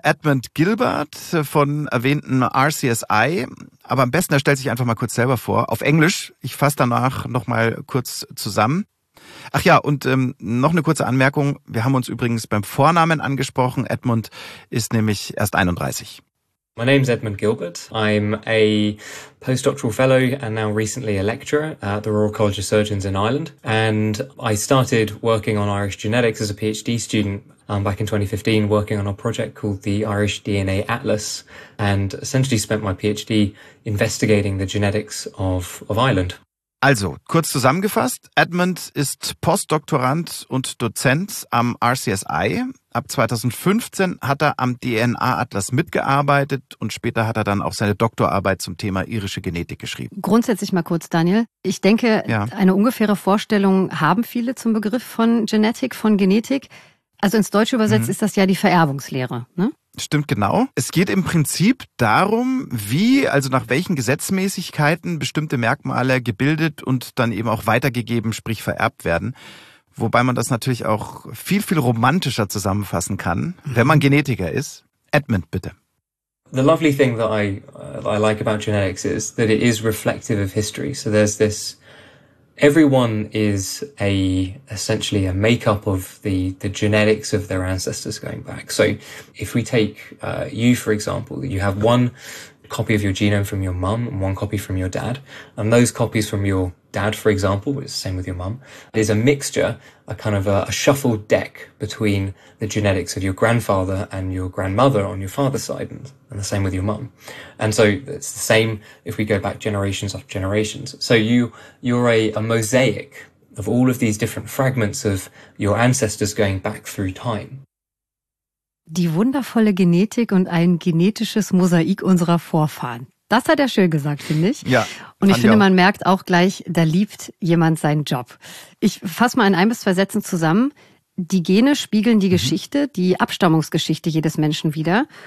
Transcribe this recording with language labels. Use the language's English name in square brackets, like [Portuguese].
[German] Edmund Gilbert von erwähnten RCSI. Aber am besten, er stellt sich einfach mal kurz selber vor, auf Englisch. Ich fasse danach nochmal kurz zusammen. Ach ja, und noch eine kurze Anmerkung. Wir haben uns übrigens beim Vornamen angesprochen. Edmund ist nämlich erst 31. [English] My name's Edmund Gilbert. I'm a postdoctoral fellow and now recently a lecturer at the Royal College of Surgeons in Ireland. And I started working on Irish genetics as a PhD student back in 2015, working on a project called the Irish DNA Atlas, and essentially spent my PhD investigating the genetics of Ireland. [German] Also, kurz zusammengefasst, Edmund ist Postdoktorand und Dozent am RCSI. Ab 2015 hat er am DNA-Atlas mitgearbeitet und später hat er dann auch seine Doktorarbeit zum Thema irische Genetik geschrieben. Grundsätzlich mal kurz, Daniel. Ich denke, eine ungefähre Vorstellung haben viele zum Begriff von Genetik, von Genetik. Also ins Deutsche übersetzt ist das ja die Vererbungslehre, ne? Stimmt, genau. Es geht im Prinzip darum, wie, also nach welchen Gesetzmäßigkeiten bestimmte Merkmale gebildet und dann eben auch weitergegeben, sprich vererbt werden. Wobei man das natürlich auch viel, viel romantischer zusammenfassen kann, wenn man Genetiker ist. Edmund, bitte. [English] The lovely thing that I like about genetics is that it is reflective of history. So there's this, everyone is essentially a makeup of the genetics of their ancestors going back. So if we take you, for example, you have one copy of your genome from your mum and one copy from your dad, and those copies from your dad, for example, which is the same with your mum, is a mixture, a kind of a shuffled deck between the genetics of your grandfather and your grandmother on your father's side, and the same with your mum. And so it's the same if we go back generations after generations. So you're a mosaic of all of these different fragments of your ancestors going back through time. [German] Die wundervolle Genetik und ein genetisches Mosaik unserer Vorfahren. Das hat er schön gesagt, finde ich. Ja. Und ich finde, man merkt auch gleich, da liebt jemand seinen Job. Ich fasse mal in ein bis zwei Sätzen zusammen. Die Gene spiegeln die Geschichte, die Abstammungsgeschichte jedes Menschen wider.